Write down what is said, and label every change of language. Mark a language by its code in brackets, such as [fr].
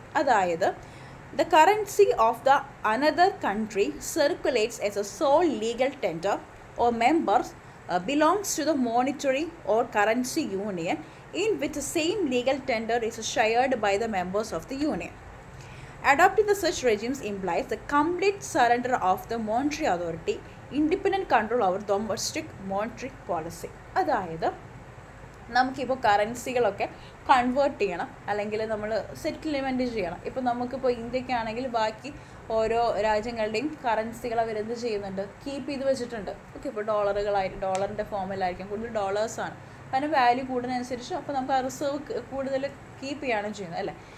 [ml] അതായത് [en] The currency of the another country circulates as a sole legal tender or members belongs to the monetary or currency union in with the same legal tender is shared by the members of the union. Adopting the such regimes implies the complete surrender of the monetary authority, independent control over domestic monetary policy. [ml] അതായത് നമുക്കിപ്പോൾ കറൻസികളൊക്കെ convert ചെയ്യണം, അല്ലെങ്കിൽ നമ്മൾ settlement ചെയ്യണം. ഇപ്പോൾ നമുക്കിപ്പോൾ ഇന്ത്യക്കാണെങ്കിൽ ബാക്കി ഓരോ രാജ്യങ്ങളുടെയും കറൻസികൾ അവരെന്ത് ചെയ്യുന്നുണ്ട്? കീപ്പ് ചെയ്ത് വെച്ചിട്ടുണ്ട്. ഓക്കെ, ഇപ്പോൾ ഡോളറുകളായിരിക്കും, ഡോളറിൻ്റെ ഫോമിലായിരിക്കും, കൂടുതൽ ഡോളേഴ്സാണ്, അതിന് വാല്യൂ കൂടുന്നതനുസരിച്ച് അപ്പോൾ നമുക്ക് ആ റിസർവ് കൂടുതൽ കീപ്പ് ചെയ്യാണ് ചെയ്യുന്നത് അല്ലേ.